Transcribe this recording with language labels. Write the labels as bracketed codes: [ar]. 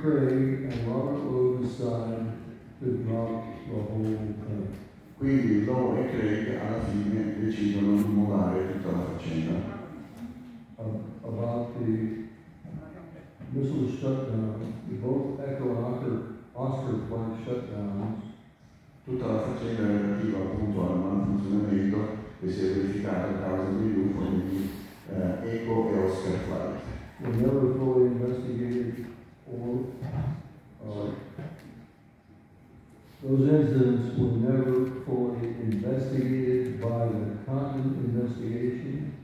[en] Craig and Robert Lowe decide to drop the whole thing. [it] Quindi Lowe e Craig alla fine decidono di mollare tutta la faccenda. [en] About the missile shutdown, both Echo and Oscar flight shutdowns. [it] Tutta la faccenda relativa appunto al malfunzionamento che si è verificato a causa degli UFO di Echo e Oscar flight. [en] Were never fully investigated, or those incidents were never fully investigated by the Condon investigation.